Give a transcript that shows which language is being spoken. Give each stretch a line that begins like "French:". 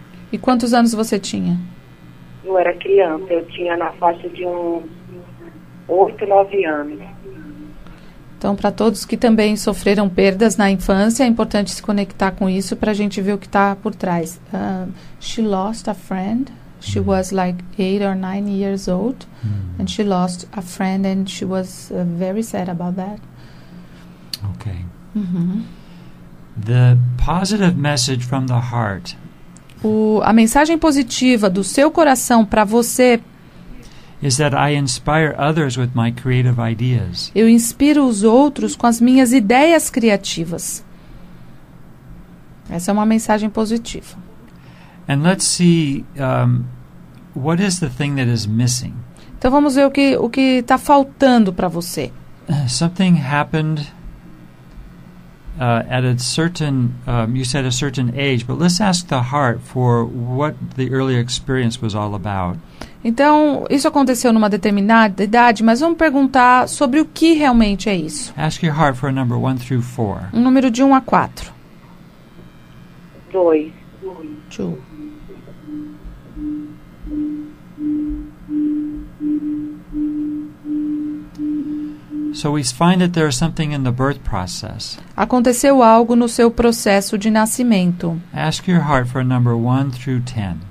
Portuguese: E quantos anos você tinha? Eu era criança. Eu tinha na faixa de 8, 9 anos. Então, para todos que também sofreram perdas na infância, é importante se conectar com isso para a gente ver o que está por trás.
English: She lost a friend. She was like 8 or 9 years old. And she lost a friend and she was very sad about that. Okay. Mm-hmm. The positive message from the heart.
Portuguese: A mensagem positiva do seu coração para você
English: is that I inspire others with my creative ideas.
Portuguese: Eu inspiro os outros com as minhas ideias criativas. Essa é uma mensagem positiva.
English: And let's see what is the thing that is missing.
Portuguese: Então vamos ver o que está faltando para você.
English: Something happened at a certain you said a certain age, but let's ask the heart for what the earlier experience was all about.
Portuguese: Então, isso aconteceu numa determinada idade, mas vamos perguntar sobre o que realmente é isso.
English: Ask your heart for a number 1 through 4.
Portuguese: Um número de 1 a 4. 2. 2.
English: So we find that there is something in the birth process.
Portuguese: Aconteceu algo no seu processo de nascimento.
English: Ask your heart for a number 1 through 10.